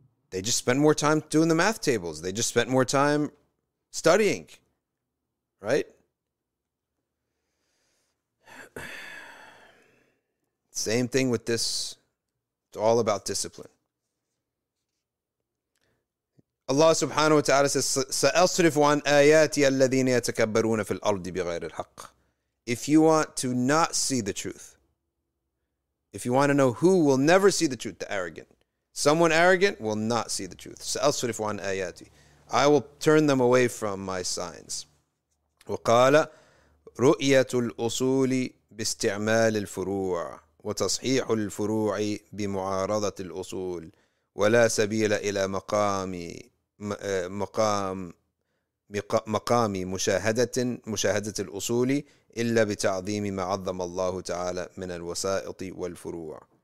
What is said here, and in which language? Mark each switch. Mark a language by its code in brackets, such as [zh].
[en] They just spent more time doing the math tables. They just spent more time studying, right? Same thing with this. It's all about discipline. Allah subhanahu wa ta'ala says, [ar] سَأَصْرِفُ عَنْ آيَاتِيَ الَّذِينَ يَتَكَبَّرُونَ فِي الْأَرْضِ بِغَيْرِ الْحَقِّ. [en] If you want to not see the truth, if you want to know who will never see the truth, the arrogant. Someone arrogant will not see the truth. [ar] سَأَصْرِفُ عَنْ آيَاتِي. [en] I will turn them away from my signs. [ar] وَقَالَ رُؤْيَةُ الْأُصُولِ بِاسْتِعْمَالِ الْفُرُوعِ وَتَصْحِيحُ الْفُرُوعِ بِمُعَارَضَةِ الْأُصُولِ وَلَا سَبِيلَ إِلَى مَقَامِ مُشَاهَدَةِ الْأُصُولِ إِلَّا بِتَعْظِيمِ مَعَظَّمَ اللَّهُ تَعَالَى مِنَ الْوَسَائِطِ وَالْفُرُوعِ.